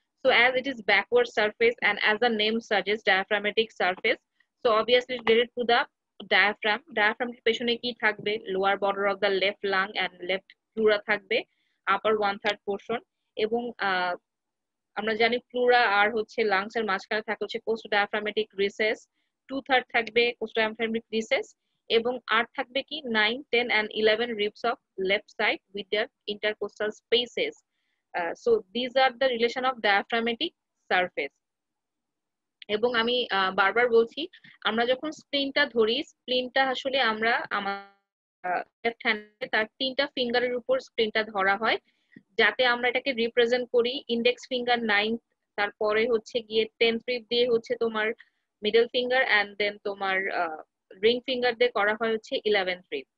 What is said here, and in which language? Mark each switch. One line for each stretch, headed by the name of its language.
English: So as it is backward surface and as the name suggest diaphragmatic surface, so obviously related to the diaphragm.
Bangla: ডায়াফ্রামের পেছনে কি থাকবে,
English: lower border of the left lung and left pleura
Bangla: থাকবে, আপার one third portion, এবং আমরা জানি ফ্লুরা আর হচ্ছে লাংসের মাঝখানে থাকে হচ্ছে post diaphragmatic recess, two third থাকবে পোস্ট ডায়াফ্রামেটিক রিসেস, এবং আর থাকবে কি
English: 9, 10 and 11 ribs of left side with their intercostal spaces. So these are the relation of diaphragmatic surface.
Bangla: এবং আমি বারবার বলছি আমরা যখন স্প্লিনটা ধরি, স্প্লিনটা আসলে আমরা লেফট হ্যান্ডে তার তিনটা ফিঙ্গারের উপর স্প্লিনটা ধরা হয়, যাতে আমরা এটাকে রিপ্রেজেন্ট করি ইন্ডেক্স ফিঙ্গার 9, তারপরে হচ্ছে গিয়ে 10th রিব দিয়ে হচ্ছে তোমার মিডল ফিঙ্গার, এন্ড দেন তোমার রিং ফিঙ্গার দিয়ে করা হয় হচ্ছে 11th রিব।